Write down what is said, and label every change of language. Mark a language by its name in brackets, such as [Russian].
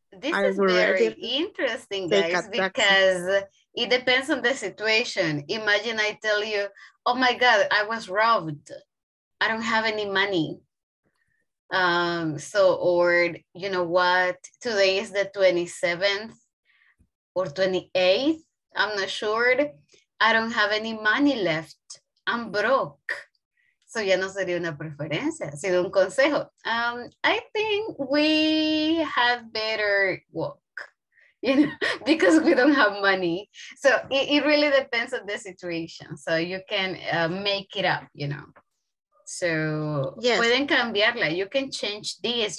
[English] This is very interesting, guys, because it depends on the situation. Imagine I tell you, oh my God, I was robbed. I don't have any money. So, or you know what, today is the 27th or 28th, I'm not sure. I don't have any money left. I'm broke. [Spanish] So ya no sería una preferencia, sino un consejo. [English] I think we have better walk, you know, because we don't have money. So it really depends on the situation. So you can make it up, you know. So yes. [Spanish] Pueden cambiarla. [English] You can change this.